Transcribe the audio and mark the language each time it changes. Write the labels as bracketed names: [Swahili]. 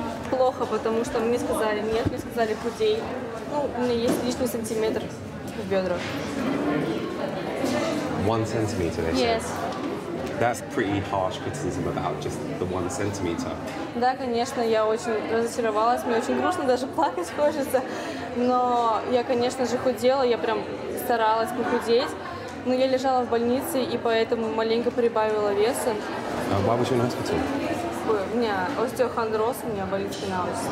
[Russian] Плохо, потому что мне сказали нет, мне сказали худей. Ну, у меня есть лишний сантиметр в бедрах. [English] One centimeter, they said. Yes. That's pretty harsh criticism about just the one centimeter. [Russian] Да, конечно, я очень разочаровалась, мне очень грустно, даже плакать хочется. Но я, конечно же, худела, я прям старалась похудеть. Но я лежала в больнице и поэтому маленько прибавила веса. [English] Why was you in hospital? [Russian] У меня остеохондроз, у меня болит спина.